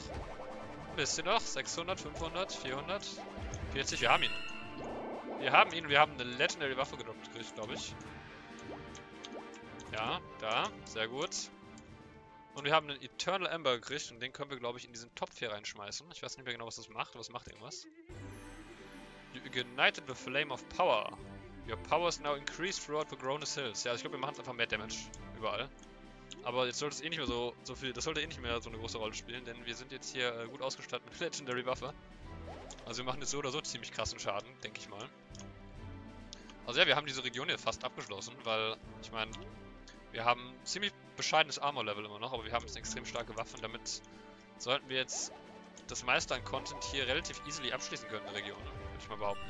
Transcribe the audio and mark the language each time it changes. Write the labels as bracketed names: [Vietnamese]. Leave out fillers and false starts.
[German] Ein bisschen noch. 600, 500, 400, 40. Wir haben ihn. Wir haben ihn, wir haben eine Legendary Waffe gekriegt, glaube ich. Ja, da, sehr gut. Und wir haben einen Eternal Ember gekriegt und den können wir, glaube ich, in diesen Topf hier reinschmeißen. Ich weiß nicht mehr genau, was das macht, aber es macht irgendwas. [English] You ignited the flame of power. Your power is now increased throughout the Grownest Hills. [German] Ja, also ich glaube, wir machen einfach mehr Damage überall. Aber jetzt sollte es eh nicht mehr so viel, das sollte eh nicht mehr so eine große Rolle spielen, denn wir sind jetzt hier gut ausgestattet mit Legendary Waffe. Also wir machen jetzt so oder so ziemlich krassen Schaden, denke ich mal. Also ja, wir haben diese Region hier fast abgeschlossen, weil, ich meine, wir haben ziemlich bescheidenes Armor-Level immer noch, aber wir haben jetzt extrem starke Waffen, damit sollten wir jetzt das meiste an Content hier relativ easily abschließen können in der Region, würde ich mal behaupten.